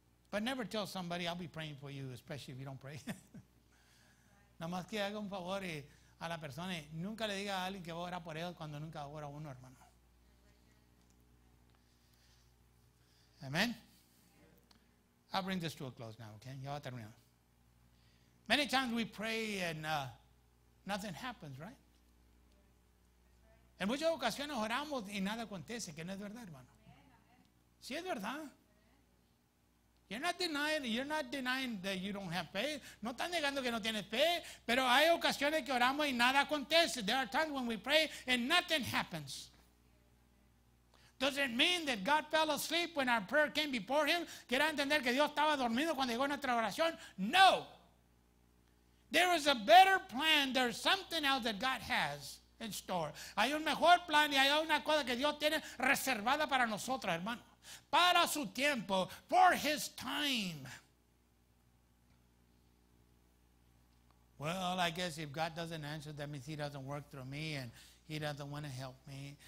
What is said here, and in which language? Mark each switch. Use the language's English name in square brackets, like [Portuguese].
[English] But never tell somebody, I'll be praying for you, especially if you don't pray. [Spanish] Nomás que haga un favor a la persona y nunca le diga a alguien que va a orar por él cuando nunca ora uno, hermano. Amén. [English] I'll bring this to a close now, okay? [Spanish] Ya va a terminar. [English] Many times we pray and nothing happens, right? [Spanish] En muchas ocasiones oramos y nada acontece, que no es verdad, hermano. Sí es verdad. [English] You're not denying that you don't have faith. [Spanish] No están negando que no tienes fe, pero hay ocasiones que oramos y nada acontece. [English] There are times when we pray and nothing happens. Does it mean that God fell asleep when our prayer came before Him? [Spanish] ¿Quiere entender que Dios estaba dormido cuando llegó nuestra oración? [English] No. There is a better plan. There's something else that God has in store. [Spanish] Hay un mejor plan y hay una cosa que Dios tiene reservada para nosotros, hermano. Para su tiempo. [English] For His time. Well, I guess if God doesn't answer, that means He doesn't work through me and He doesn't want to help me.